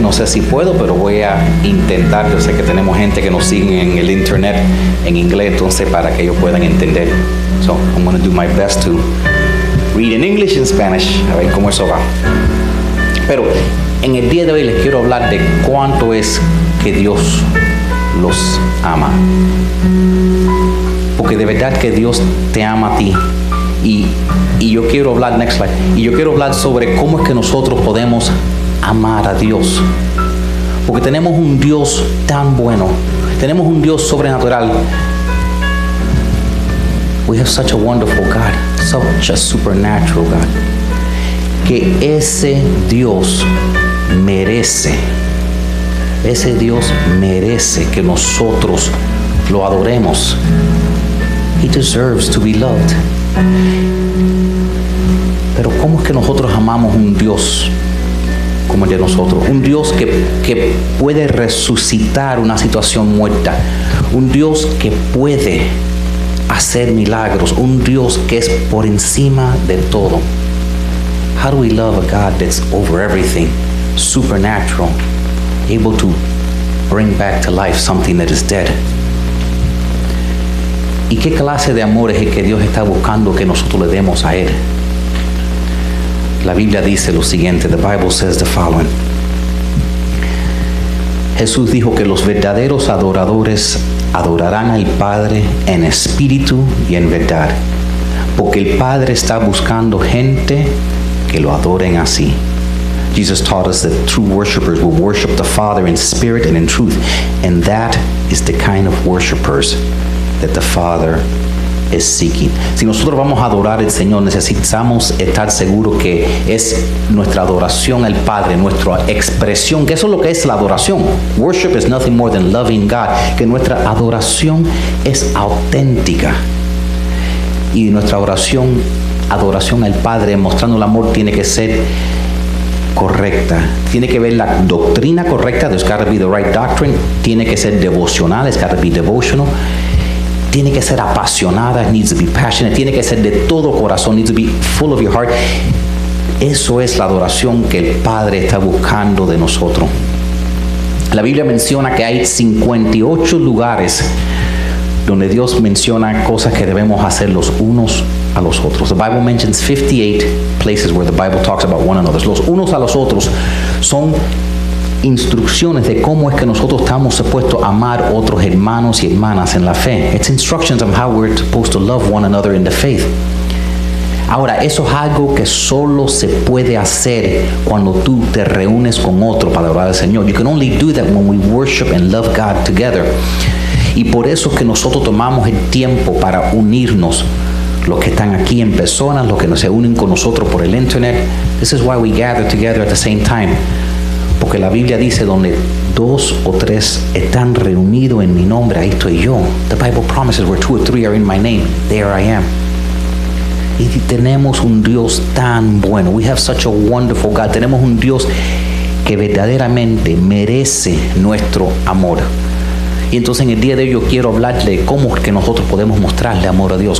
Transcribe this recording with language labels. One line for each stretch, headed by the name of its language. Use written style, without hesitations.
Spanish: No sé si puedo, pero voy a intentar. Yo sé que tenemos gente que nos sigue en el internet en inglés, entonces para que ellos puedan entender.
English: So, I'm going to do my best to read in English and Spanish.
Spanish: A ver cómo eso va. Pero en el día de hoy les quiero hablar de cuánto es que Dios los ama. Porque de verdad que Dios te ama a ti. Y yo quiero hablar,
English: next slide,
Spanish: y yo quiero hablar sobre cómo es que nosotros podemos amar a Dios. Porque tenemos un Dios tan bueno. Tenemos un Dios sobrenatural.
English: We have such a wonderful God, such a supernatural God.
Spanish: Que ese Dios merece. Ese Dios merece que nosotros lo adoremos.
English: He deserves to be loved.
Spanish: Pero ¿cómo es que nosotros amamos un Dios como el de nosotros? Un Dios que puede resucitar una situación muerta. Un Dios que puede hacer milagros. Un Dios que es por encima de todo.
English: How do we love a God that's over everything, supernatural, able to bring back to life something that is dead?
Spanish: ¿Y qué clase de amor es el que Dios está buscando que nosotros le demos a Él? La Biblia dice lo siguiente,
English: the Bible says the following.
Spanish: Jesús dijo que los verdaderos adoradores adorarán al Padre en espíritu y en verdad, porque el Padre está buscando gente que lo adoren así.
English: Jesus taught us that true worshipers will worship the Father in spirit and in truth, and that is the kind of worshipers that the Father is seeking.
Spanish: Si nosotros vamos a adorar al Señor, necesitamos estar seguros que es nuestra adoración al Padre, nuestra expresión, que eso es lo que es la adoración.
English: Worship is nothing more than loving God.
Spanish: Que nuestra adoración es auténtica. Y nuestra oración, adoración al Padre, mostrando el amor, tiene que ser correcta. Tiene que ver la doctrina correcta.
English: There's got to be the right doctrine.
Spanish: Tiene que ser devocional.
English: It's got to be devotional.
Spanish: Tiene que ser apasionada,
English: needs to be passionate,
Spanish: tiene que ser de todo corazón,
English: needs to be full of your heart.
Spanish: Eso es la adoración que el Padre está buscando de nosotros. La Biblia menciona que hay 58 lugares donde Dios menciona cosas que debemos hacer los unos a los otros.
English: The Bible mentions 58 places where the Bible talks about one another.
Spanish: Los unos a los otros son instrucciones de cómo es que nosotros estamos supuestos a amar otros hermanos y hermanas en la fe.
English: It's instructions on how we're supposed to love one another in the faith.
Spanish: Ahora, eso es algo que solo se puede hacer cuando tú te reúnes con otro para adorar al Señor.
English: You can only do that when we worship and love God together.
Spanish: Y por eso es que nosotros tomamos el tiempo para unirnos, los que están aquí en persona, los que no se unen con nosotros por el internet.
English: This is why we gather together at the same time.
Spanish: Porque la Biblia dice, donde dos o tres están reunidos en mi nombre, ahí estoy yo.
English: The Bible promises, where two or three are in my name, there I am.
Spanish: Y tenemos un Dios tan bueno.
English: We have such a wonderful God.
Spanish: Tenemos un Dios que verdaderamente merece nuestro amor. Y entonces en el día de hoy yo quiero hablarle cómo es que nosotros podemos mostrarle amor a Dios.